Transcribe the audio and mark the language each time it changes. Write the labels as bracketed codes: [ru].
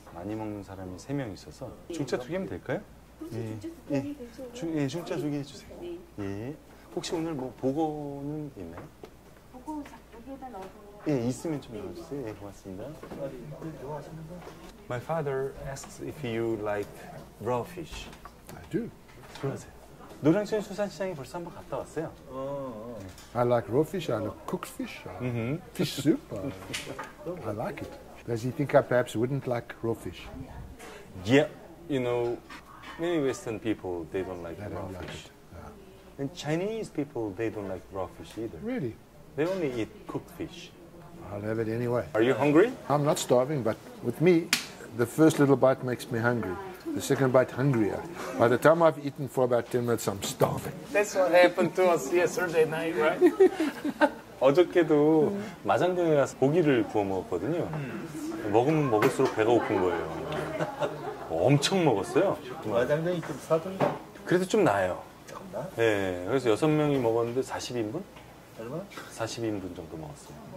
[ko] 많이 먹는 사람이 3명 있어서 중짜 두 개면 될까요? 예. 예, 중짜 두 개 해주세요. 네. 예. 혹시 오늘 뭐 보고는 있나요? 보고 여기에다 넣어서. 예, 있으면 좀 넣어주세요. 예, 고맙습니다. [en] My father asks if you like raw fish. I do. [ko] 좋아하세요. 노량진 수산시장에 벌써 한번 갔다 왔어요. [en] I like raw fish. I like cooked fish. Fish soup. I like it. Does he think I perhaps wouldn't like raw fish? Yeah. You know, many Western people, they don't like raw fish. Like it. Yeah. And Chinese people, they don't like raw fish either. Really? They only eat cooked fish. I'll have it anyway. Are you hungry? I'm not starving, but with me, the first little bite makes me hungry. The second bite, hungrier. By the time I've eaten for about 10 minutes, I'm starving. That's what happened to us yesterday night, right? [ko] 어저께도 마장동에 가서 고기를 구워 먹었거든요. 먹으면 먹을수록 배가 고픈 거예요. 엄청 먹었어요. 마장동이 좀 사돈이? 그래도 좀 나아요. 조금 나? 네, 그래서 6명이 먹었는데 40인분? 얼마? 40인분 정도 먹었어요.